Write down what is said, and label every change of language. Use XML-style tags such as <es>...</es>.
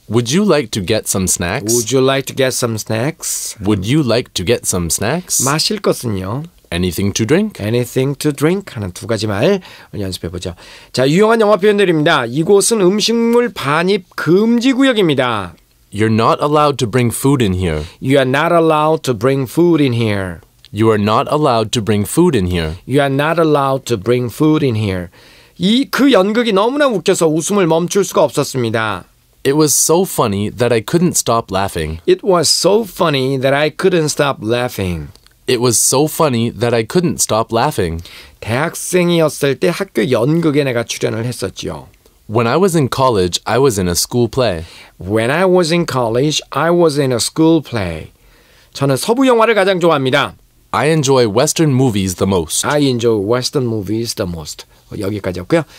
<en>Would you like to get some snacks? Would you like to get some snacks? Would you like to get some snacks?</en> <ko>마실 것은요?</ko> <en>anything to drink. Anything to drink</en> <ko>하는 두 가지 말 연습해 보죠. 자, 유용한 영어 표현들입니다. 이곳은 음식물 반입 금지 구역입니다.</ko> <en>You're not allowed to bring food in here. You are not allowed to bring food in here. You are not allowed to bring food in here. You are not allowed to bring food in here.</en> <ko>이 그 연극이 너무나 웃겨서 웃음을 멈출 수가 없었습니다.</ko> <en>It was so funny that I couldn't stop laughing. It was so funny that I couldn't stop laughing. It was so funny that I couldn't stop laughing.</en> <ko>대학생이었을 때 학교 연극에 내가 출연을 했었지요.</ko> <en>When I was in college, I was in a school play. When I was in college, I was in a school play.</en> <ko>저는 서부 영화를 가장 좋아합니다.</ko> <en>I enjoy western movies the most. I enjoy western movies the most.</en> <ko>여기까지였고요.</ko>